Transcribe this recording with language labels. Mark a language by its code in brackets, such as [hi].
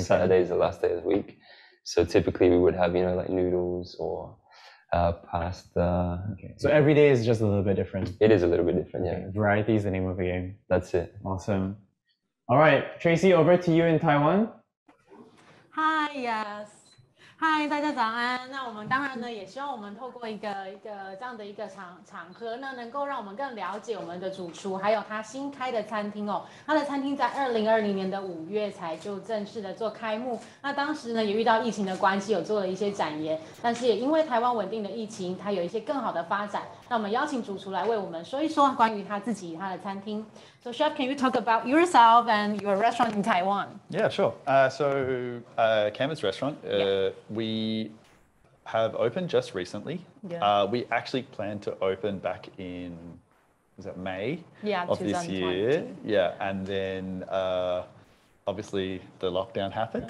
[en] Saturday is the last day of the week, so typically we would have, you know, like noodles or pasta. Okay. So every day is just a little bit different. It is a little bit different, yeah. Okay. Variety is the name of the game. That's it. Awesome. All right, Tracy, over to you in Taiwan. Hi. Yes. Hi, [zh] 大家早安。那我们当然呢，也希望我们透过一个这样的一个场合呢，能够让我们更了解我们的主厨，还有他新开的餐厅哦。他的餐厅在2020年的五月才就正式的做开幕。那当时呢，也遇到疫情的关系，有做了一些展延。但是也因为台湾稳定的疫情，他有一些更好的发展。那我们邀请主厨来为我们说一说关于他自己他的餐厅。 [en] So chef, can you talk about yourself and your restaurant in Taiwan? Yeah, sure. Canvas restaurant. We have opened just recently. Yeah. We actually planned to open back in, was that May? Yeah, of this year. Yeah, and then obviously the lockdown happened.